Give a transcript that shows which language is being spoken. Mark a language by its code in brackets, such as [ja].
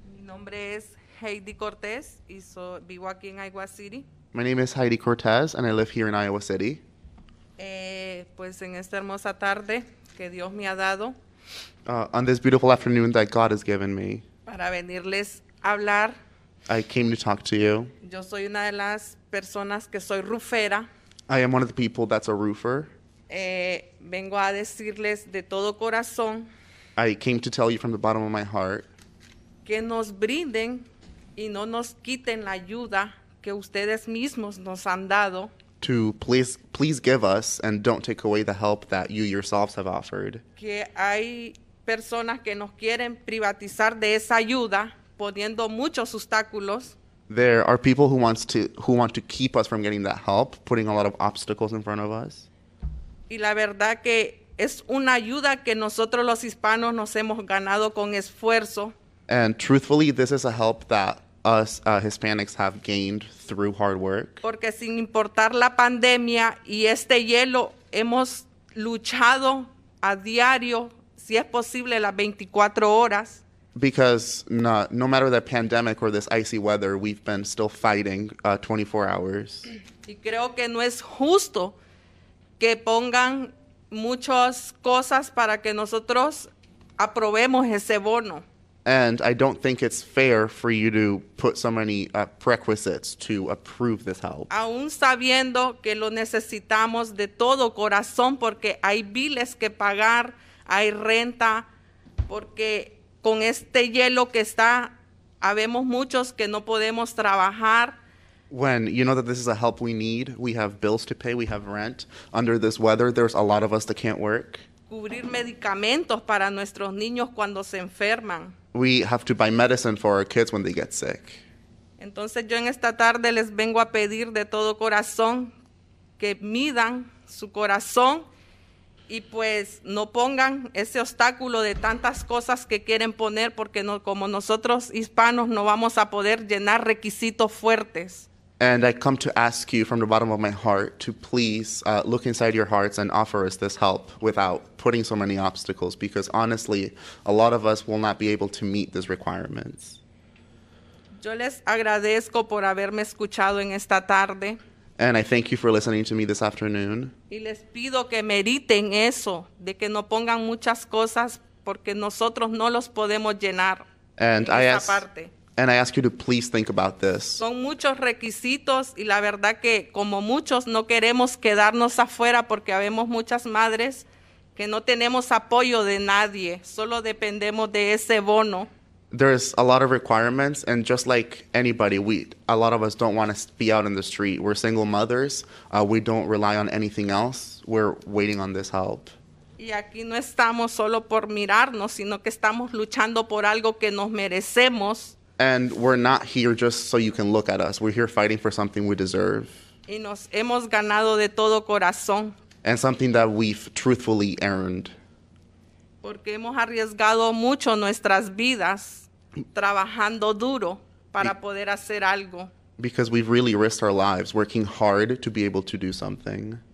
[es] Mi nombre es Heidi Cortez, y vivo aquí en Iowa City. [en] My name is Heidi Cortez, and I live here in Iowa City. [es] Pues en esta hermosa tarde que Dios me ha dado. [en] On this beautiful afternoon that God has given me. [es] Para venirles hablar. [en] I came to talk to you. [es] Yo soy una de las personas que soy roofera. [en] I am one of the people that's a roofer. [es] Vengo a decirles de todo corazón. [en] I came to tell you from the bottom of my heart. [es] Que nos brinden y no nos quiten la ayuda. Que ustedes mismos nos han dado. [en] To please give us and don't take away the help that you yourselves have offered. [es] Que hay personas que nos quieren privatizar de esa ayuda, poniendo muchos obstáculos. [en] There are people who want to keep us from getting that help, putting a lot of obstacles in front of us. [es] Y la verdad que es una ayuda que nosotros los hispanos nos hemos ganado con esfuerzo. [en] And truthfully, this is a help that us Hispanics have gained through hard work. [es] Porque sin importar la pandemia y este hielo, hemos luchado a diario, si es posible, las 24 horas. [en] Because no matter the pandemic or this icy weather, we've been still fighting 24 hours. [es] Y creo que no es justo que pongan muchas cosas para que nosotros aprobemos ese bono. [en] And I don't think it's fair for you to put so many prerequisites to approve this help. [es] Aún sabiendo que lo necesitamos de todo corazón porque hay biles que pagar, hay renta, porque con este hielo que está, habemos muchos que no podemos trabajar. [en] When you know that this is a help we need, we have bills to pay, we have rent. Under this weather, there's a lot of us that can't work. [es] Cubrir medicamentos para nuestros niños cuando se enferman. [en] We have to buy medicine for our kids when they get sick. [es] Entonces yo en esta tarde les vengo a pedir de todo corazón que midan su corazón y pues no pongan ese obstáculo de tantas cosas que quieren poner porque no, como nosotros hispanos no vamos a poder llenar requisitos fuertes. [en] And I come to ask you from the bottom of my heart to please look inside your hearts and offer us this help without putting so many obstacles, because honestly, a lot of us will not be able to meet these requirements. [es] Yo les agradezco por haberme escuchado en esta tarde. [en] And I thank you for listening to me this afternoon. [es] Y les pido que meriten eso, de que no pongan muchas cosas porque nosotros no los podemos llenar. [en] And I ask... Parte. And I ask you to please think about this. [es] Son muchos requisitos y la verdad que como muchos no queremos quedarnos afuera porque habemos muchas madres que no tenemos apoyo de nadie, solo dependemos de ese bono. [en] There's a lot of requirements, and just like anybody, a lot of us don't want to be out in the street. We're single mothers. We don't rely on anything else. We're waiting on this help. [es] Y aquí no estamos solo por mirarnos, sino que estamos luchando por algo que nos merecemos. [en] And we're not here just so you can look at us. We're here fighting for something we deserve. [es] Y nos hemos ganado de todo corazón. [en] And something that we've truthfully earned. [es] Porque hemos arriesgado mucho nuestras vidas trabajando duro para poder hacer algo. [en] Because we've really risked our lives working hard to be able to do something.